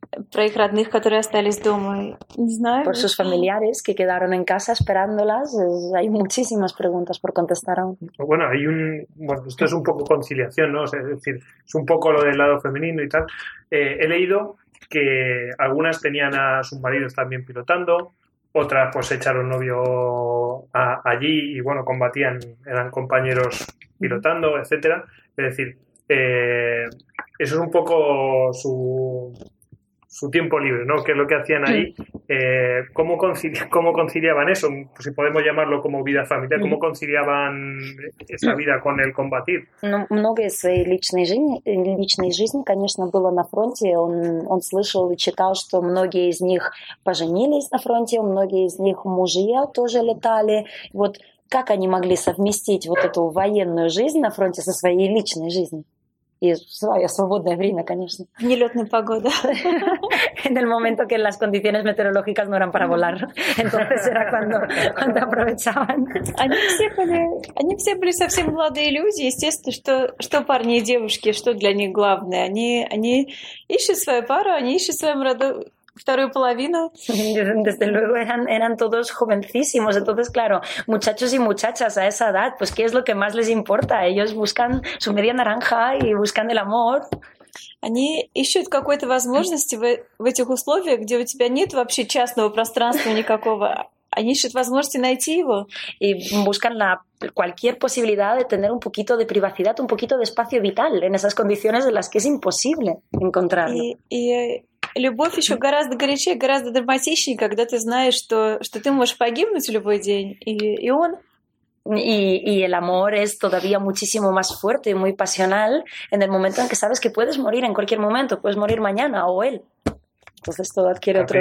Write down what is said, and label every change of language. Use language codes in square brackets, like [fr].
[ru] Про их родных, которые остались дома. Не знаю. [es] Por sus familiares que quedaron en casa esperándolas. Hay muchísimas preguntas por contestar aún. Bueno, esto es un poco conciliación, ¿no? O sea, es decir, es un poco lo del lado femenino y tal. He leído que algunas tenían a sus maridos también pilotando, otras pues echaron novio allí y bueno, combatían, eran compañeros pilotando, etcétera. Es decir, eso es un poco su tiempo libre, ¿no? Que es lo que hacían ahí. ¿Cómo conciliaban eso? Pues si podemos llamarlo como vida familiar. ¿Cómo conciliaban esa vida con el combatir? [ru] Ну, многое из своей личной жизни, конечно, было на фронте. Он слышал и читал, что многие из них поженились на фронте, многие из них мужья тоже летали. Вот как они могли совместить вот эту военную жизнь на фронте со своей личной жизнью? Y свое свободное время, конечно. Нелетная погода. [es] En el momento que las condiciones meteorológicas no eran para volar. Entonces era cuando aprovechaban. [ru] Они все были совсем молодые люди. Естественно, что парни и девушки, что для них главное. Они ищут свою пару, они ищут свою роду. Вторую половину. [es] Desde luego eran todos jovencísimos. Entonces, claro, muchachos y muchachas a esa edad, pues ¿qué es lo que más les importa? Ellos buscan su media naranja y buscan el amor. [ru] Они ищут какой-то возможности в этих условиях, где у тебя нет вообще частного пространства никакого. Они ищут возможности найти его. [es] Y buscan cualquier posibilidad de tener un poquito de privacidad, un poquito de espacio vital en esas condiciones en las que es imposible encontrarlo. [ru] Любовь еще гораздо горячее, гораздо драматичнее, когда ты знаешь, что ты можешь погибнуть в любой день, и он. [es] Y el amor es todavía muchísimo más fuerte y muy pasional en el momento en que sabes que puedes morir en cualquier momento, puedes morir mañana o él. Entonces todo adquiere otro.